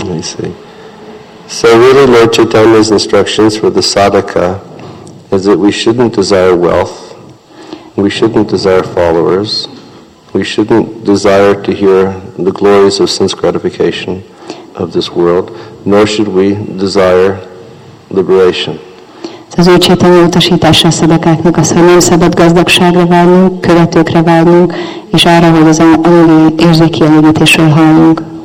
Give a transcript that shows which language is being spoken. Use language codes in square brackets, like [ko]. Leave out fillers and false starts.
[en] I see. So really Lord Chaitanya's instructions for the sadhaka is that we shouldn't desire wealth, we shouldn't desire followers, we shouldn't desire to hear the glories of sense gratification of this world, nor should we desire liberation. [hu] Az Úr Csétanya utasítása a szadakáknak az, hogy nem szabad gazdagságra várnunk, követőkre várnunk, és arra, hogy az anyagi érzéki elégítésről hallunk.